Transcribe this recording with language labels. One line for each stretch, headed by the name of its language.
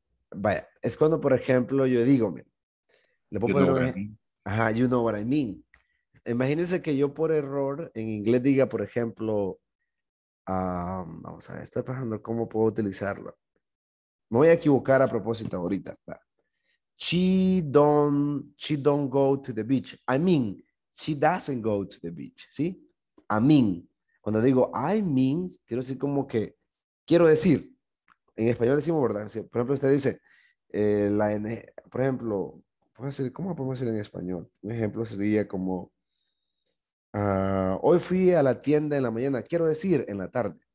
Spanish: Vaya, es cuando, por ejemplo, yo digo, le puedo poner,
English: you know what I mean.
Spanish: Imagínense que yo por error en inglés diga, por ejemplo, vamos a ver, estoy pensando cómo puedo utilizarlo. Me voy a equivocar a propósito ahorita, ¿verdad?
English: She don't go to the beach. I mean, she doesn't go to the beach.
Spanish: ¿Sí?
English: I mean.
Spanish: Cuando digo
English: I mean,
Spanish: quiero decir como que, quiero decir, en español decimos, ¿verdad? Por ejemplo, usted dice, ¿cómo podemos decir en español? Un ejemplo sería como, hoy fui a la tienda en la mañana, quiero decir en la tarde.